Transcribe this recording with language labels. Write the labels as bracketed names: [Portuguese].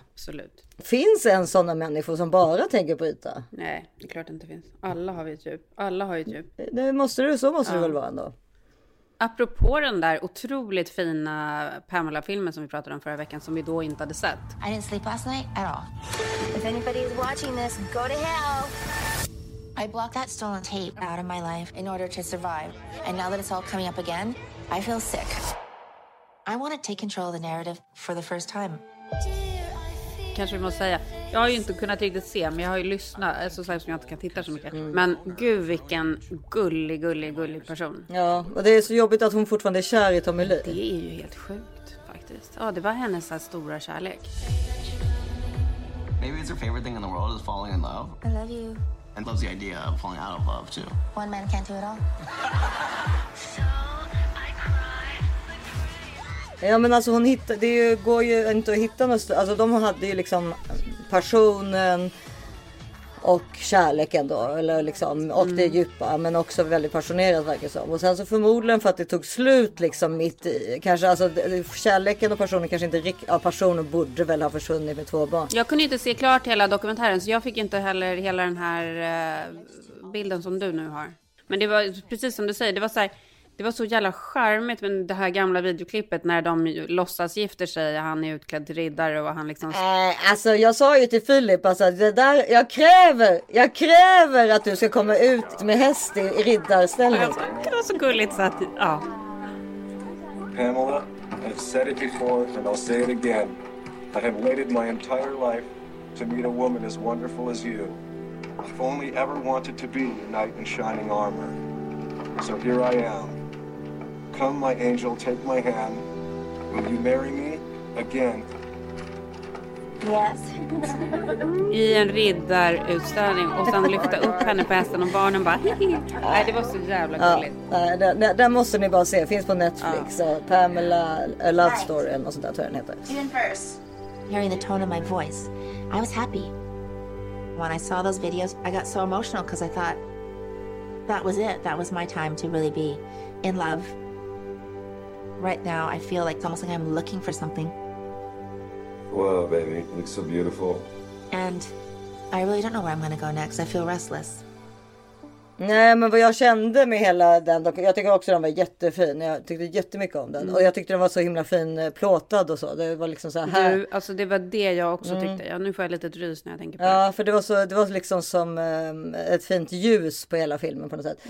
[Swedish] Absolut. Finns en sån människor som bara tänker på yta? Nej, det är klart inte finns. Alla har ju djup. Alla har ju djup. Så måste du väl vara ändå. Apropå den där otroligt fina Pamela-filmen som vi pratade om förra veckan som vi då inte hade sett. [English] I didn't sleep last night at all. If anybody is watching this, go to hell. I blocked that stolen tape out of my life in order to survive. And now that it's all coming up again, I feel sick. I want to take control of the narrative for the first time. [Swedish] Kanske vi måste säga, jag har ju inte kunnat riktigt se, men jag har ju lyssnat, så säkert som jag inte kan titta så mycket. Men gud vilken gullig person. Ja, och det är så jobbigt att hon fortfarande är kär i Tommy Lee. Det är ju helt sjukt faktiskt. Ja, det var hennes här stora kärlek. [English] Maybe it's her favorite thing in the world is falling in love. I love you. And loves the idea of falling out of love too. One man can't do it all. [Swedish] Ja men alltså hon hittade, det går ju inte att hitta något, alltså de hade ju liksom personen och kärleken då, eller liksom, och det djupa, men också väldigt passionerat verkar som. Och sen så förmodligen för att det tog slut liksom mitt i, kanske alltså kärleken och personen kanske inte riktigt, ja, personen borde väl ha försvunnit med två barn. Jag kunde inte se klart hela dokumentären, så jag fick inte heller hela den här bilden som du nu har. Men det var precis som du säger, det var så här, det var så jävla charmigt med det här gamla videoklippet när de låtsas gifter sig, han är utklädd till riddare och han liksom... Alltså jag sa ju till Filip, alltså, det där, jag kräver att du ska komma ut med häst i riddarställning. Det var så gulligt så att, ja. [English] Pamela, I've said it before and I'll say it again. I have waited my entire life to meet a woman as wonderful as you. I've only ever wanted to be a knight in shining armor. So here I am. Come, my angel, take my hand. Will you marry me again? Yes. [Swedish] I en riddarutställning och sen lyfta upp henne på hästen och barnen bara... Nej, det var så jävla gulligt. Ja, den måste ni bara se. Finns på Netflix. Ja. Pamela Love Story och sånt där, tror jag den heter. [English] In verse. Hearing the tone of my voice, I was happy. When I saw those videos, I got so emotional because I thought that was it. That was my time to really be in love. Right now, I feel like almost like I'm looking for something. Wow, baby, it looks so beautiful. And I really don't know where I'm going to go next. I feel restless. [Swedish] Nej, men vad jag kände med hela den, jag tycker också den var jättefin. Jag tyckte jättemycket om den. Mm. Och jag tyckte den var så himla fin plåtad och så. Det var liksom så här. Du, alltså det var det jag också tyckte. Ja, nu får jag lite drys när jag tänker på det. Ja, för det var så, det var liksom som ett fint ljus på hela filmen på något sätt.